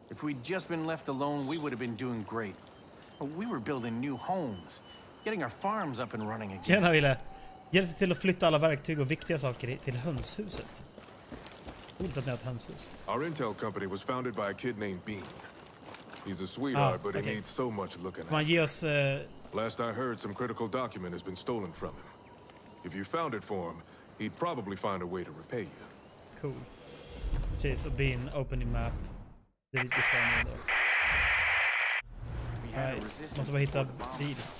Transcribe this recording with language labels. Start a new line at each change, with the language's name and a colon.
English: If we'd just been left alone, we would have been doing great. But we were building new homes. Getting our farms up and running again.
Swedish: Tjena, Ville. Hjälp till att flytta alla verktyg och viktiga saker till hönshuset.
English: Our intel company was founded by a kid named Bean. He's a sweetheart, but he needs so much looking at. Last I heard, some critical document has been stolen from him. If you found it for him, he'd probably find a way to repay you. Cool. Okay, so Bean, open the map.
Swedish: Det är
English: just going on there.
Swedish: Måste bara hitta Bean.